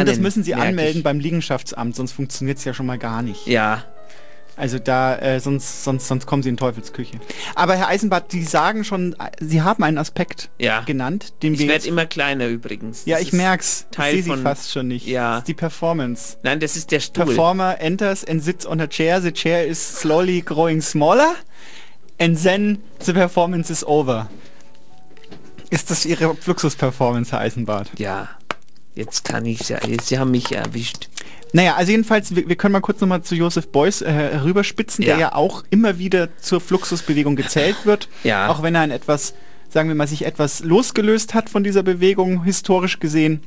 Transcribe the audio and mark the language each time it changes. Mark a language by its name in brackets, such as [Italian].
[German] Und das müssen Sie anmelden beim Liegenschaftsamt, sonst funktioniert es ja schon mal gar nicht. Ja. Also da, sonst kommen Sie in Teufelsküche. Aber Herr Eisenbart, Sie sagen schon, Sie haben einen Aspekt genannt. Ich werde immer kleiner übrigens. Ja, ich merke es. Ich sehe Sie fast schon nicht. Ja. Das ist die Performance. Nein, das ist der Stuhl. [English] Performer enters and sits on a chair. The chair is slowly growing smaller. And then the performance is over. [German] Ist das Ihre Fluxus-Performance, Herr Eisenbart? Ja. Jetzt kann ich ja, Sie haben mich erwischt. Naja, also jedenfalls, wir können mal kurz nochmal zu Joseph Beuys rüberspitzen, der ja auch immer wieder zur Fluxusbewegung gezählt wird. Ja. Auch wenn er sich etwas losgelöst hat von dieser Bewegung, historisch gesehen.